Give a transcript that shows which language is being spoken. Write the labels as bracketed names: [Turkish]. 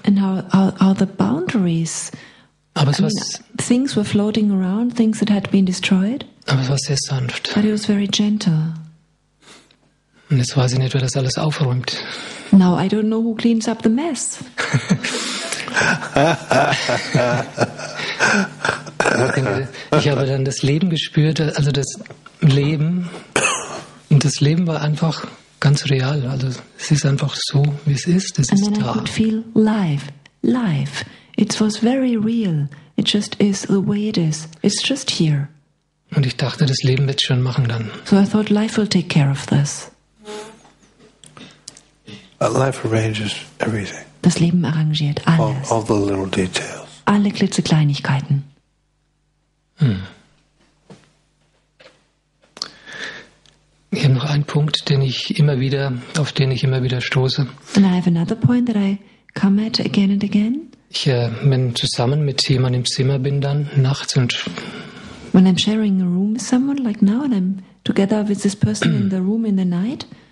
[English] And how the boundaries. [German] Aber es war, [English] things were floating around, things that had been destroyed. [German] Aber es war sehr sanft. [English] But it was very gentle. [German] Und jetzt weiß ich nicht, wer das alles aufräumt. [English] Now I don't know who cleans up the mess. [German] Ich habe dann das Leben gespürt, also das Leben. Und das Leben war einfach ganz real. Also es ist einfach so, wie es ist. Es ist da. [English] And then I could feel life. Life. It was very real. It just is the way it is. It's just here. [German] Und ich dachte, das Leben wird es schon machen dann. [English] So I thought life will take care of this. Life arranges everything. [German] Das Leben arrangiert alles. [English] All the little details. [German] Alle Klitzekleinigkeiten. Ich habe noch einen Punkt, den ich immer wieder, auf den ich immer wieder stoße. [English] And I have another point that I come at again and again. [German] Ich, wenn zusammen mit jemandem im Zimmer bin dann nachts und [English] when I'm sharing a room with someone like now and I'm together with this person in the room in the night.